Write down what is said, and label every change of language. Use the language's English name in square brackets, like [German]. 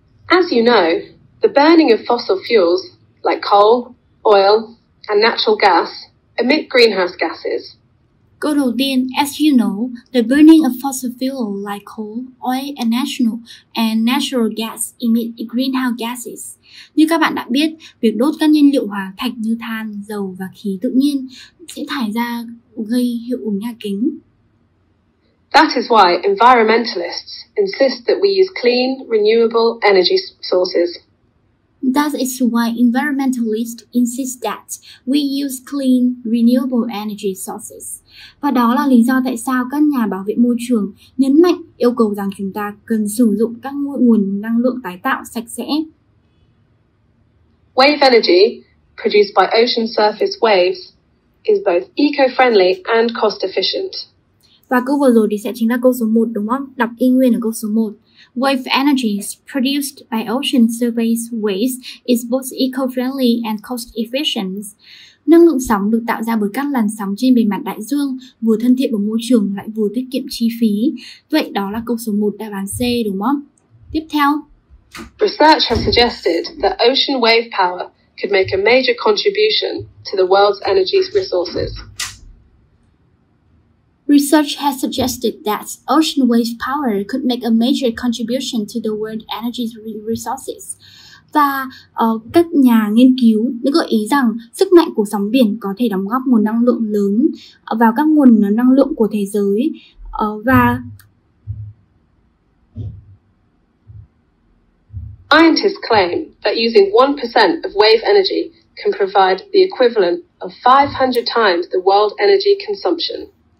[English] As you know, the burning of fossil fuels like coal, oil, and natural gas emit greenhouse gases. [Vietnamese] Câu đầu tiên, [English] as you know, the burning of fossil fuels like coal, oil, and natural gas emit greenhouse gases. [Vietnamese] Như các bạn đã biết, việc đốt các nhiên liệu hóa thạch như than, dầu và khí tự nhiên sẽ thải ra gây hiệu ứng nhà kính. [English] That is why environmentalists insist that we use clean, renewable energy sources. That is why environmentalists insist that we use clean, renewable energy sources. [Vietnamese] Và đó là lý do tại sao các nhà bảo vệ môi trường nhấn mạnh yêu cầu rằng chúng ta cần sử dụng các nguồn năng lượng tái tạo sạch sẽ. [English] Wave energy, produced by ocean surface waves, is both eco-friendly and cost-efficient. [Vietnamese] Và câu vừa rồi thì sẽ chính là câu số 1 đúng không? Đọc y nguyên ở câu số 1. [English] Wave energy produced by ocean surface waves is both eco-friendly and cost-efficient. [Vietnamese] Năng lượng sóng được tạo ra bởi các làn sóng trên bề mặt đại dương vừa thân thiện với môi trường lại vừa tiết kiệm chi phí. Vậy đó là câu số 1 đáp án C đúng không? Tiếp theo. [English] Research has suggested that ocean wave power could make a major contribution to the world's energy resources. Research has suggested that ocean wave power could make a major contribution to the world energy resources. [Vietnamese] Và các nhà nghiên cứu đã gợi ý rằng sức mạnh của sóng biển có thể đóng góp nguồn năng lượng lớn vào các nguồn năng lượng của thế giới. Và [English] scientists claim that using 1% of wave energy can provide the equivalent of 500 times the world energy consumption.